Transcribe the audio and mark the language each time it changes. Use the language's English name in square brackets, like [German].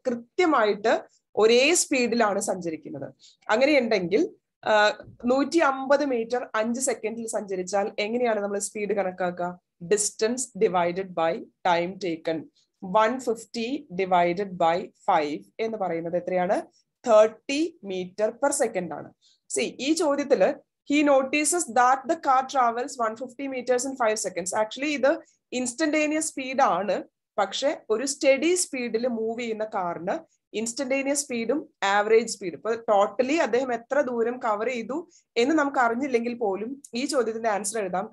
[Malayalam] കൃത്യമായിട്ട് ഒരേ സ്പീഡിലാണ് സഞ്ചരിക്കുന്നത്. അങ്ങനെയുണ്ടെങ്കിൽ [English] 150 meters in 5 seconds [Malayalam] സഞ്ചരിച്ചാൽ എങ്ങനെയാണ് നമ്മൾ സ്പീഡ് കണക്കാക്കുക? [English] Distance divided by time taken. 150 divided by 5 [Malayalam] എന്ന് പറയുന്നത് എത്രയാണ്? [English] 30 meters per second [Malayalam] ആണ്. സി ഈ ചോദ്യത്തിൽ [English] He notices that the car travels 150 meters in 5 seconds. [Malayalam] Actually ഇത് ഇൻസ്റ്റന്റേനിയസ് സ്പീഡ് ആണ്, പക്ഷെ ഒരു സ്റ്റഡി സ്പീഡിൽ മൂവ് ചെയ്യുന്ന കാറിന് ഇൻസ്റ്റന്റേനിയസ് സ്പീഡും ആവറേജ് സ്പീഡും, ഇപ്പൊ ടോട്ടലി അദ്ദേഹം എത്ര ദൂരം കവർ ചെയ്തു എന്ന് നമുക്ക് അറിഞ്ഞില്ലെങ്കിൽ പോലും ഈ ചോദ്യത്തിന്റെ ആൻസർ എഴുതാം.